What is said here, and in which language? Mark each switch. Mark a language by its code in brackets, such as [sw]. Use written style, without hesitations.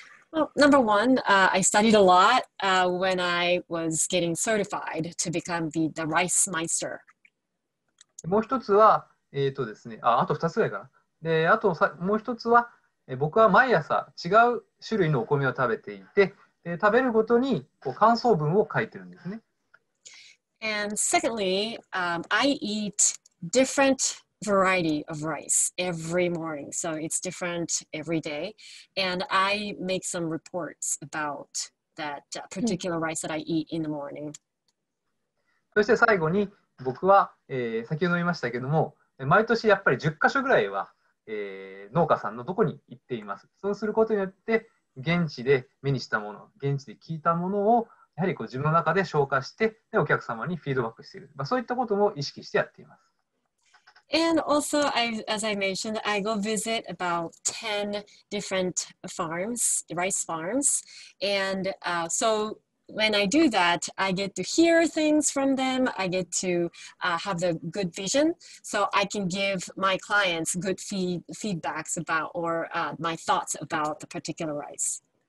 [en] Well, number one, I studied a lot when I was getting certified to become the rice meister. [ja] もう一つは、ですね、あと二つぐらいかな。で、あとさもう一つは、僕は毎朝違う種類のお米を食べていて、食べるごとにこう感想文を書いてるんですね。 [en] And secondly, I eat different variety of rice every morning, so it's different every day. And I make some reports about that particular rice that I eat in the morning. [ja] そして最後に、僕は、先ほど言いましたけども、毎年やっぱり10カ所ぐらいは、農家さんのとこに行っています。そうすることによって、現地で目にしたもの、現地で聞いたものを、やはりこう自分の中で消化して、で、お客様にフィードバックしている。まあ、そういったことも意識してやっています。 [en] And also, as I mentioned, I go visit about 10 different farms, rice farms, and so... When I do that, I get to hear things from them. I get to have the good vision, so I can give my clients good feedbacks about or my thoughts about the particular rice.